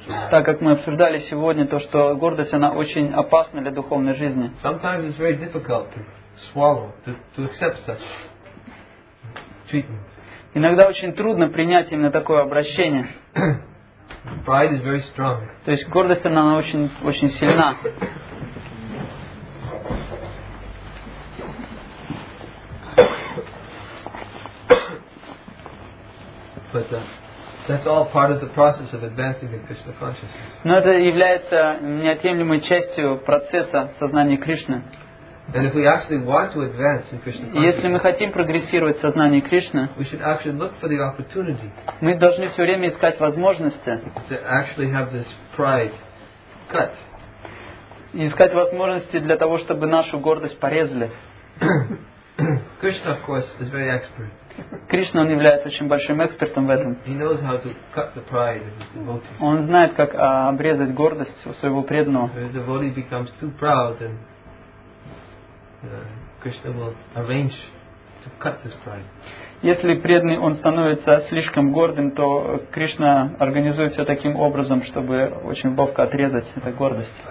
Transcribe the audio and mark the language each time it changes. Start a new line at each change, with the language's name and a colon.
Russian: Так как мы обсуждали сегодня то, что гордость она очень опасна для духовной жизни.
English: Sometimes it's very difficult to swallow, to accept such treatment.
Russian: Иногда очень трудно принять именно такое обращение.
English: Pride is very strong.
Russian: То есть гордость она очень очень сильна.
English: But That's all part of the process of advancing in Krishna consciousness.
Russian: Но это является неотъемлемой частью процесса сознания Кришны.
English: And if we actually want to advance in Krishna consciousness,
Russian: если мы хотим прогрессировать в сознании Кришны,
English: we should actually look for the opportunity.
Russian: Мы должны все время искать возможности.
English: To actually have this pride cut.
Russian: И искать возможности для того, чтобы нашу гордость порезали.
English: Krishna, of course, is very expert.
Russian: Кришна, он является очень большим экспертом в этом.
English: He knows how to cut the pride of his devotees.
Russian: Он знает, как обрезать гордость у своего преданного.
English: If the devotee becomes too proud, then Krishna will arrange to cut this pride.
Russian: Если преданный он становится слишком гордым, то Кришна организует все таким образом, чтобы очень ловко отрезать эту гордость.